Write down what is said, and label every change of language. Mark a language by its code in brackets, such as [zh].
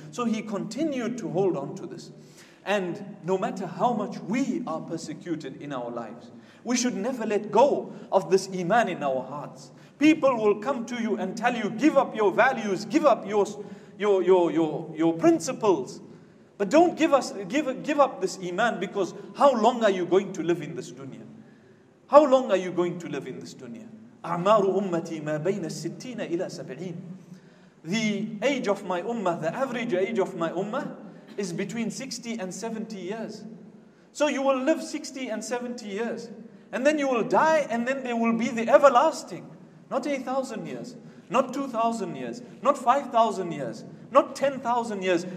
[en] So he continued to hold on to this. And no matter how much we are persecuted in our lives, we should never let go of this Iman in our hearts. People will come to you and tell you, give up your values, give up your principles. But don't give up this Iman, because how long are you going to live in this dunya? How long are you going to live in this dunya? [ar] أعمار أمتي ما بين الستين إلى سبعين. [en] The age of my ummah, the average age of my ummah is between 60 and 70 years. So you will live 60 and 70 years. And then you will die, and then there will be the everlasting. Not 1,000 years, not 2,000 years, not 5,000 years, not 10,000 years.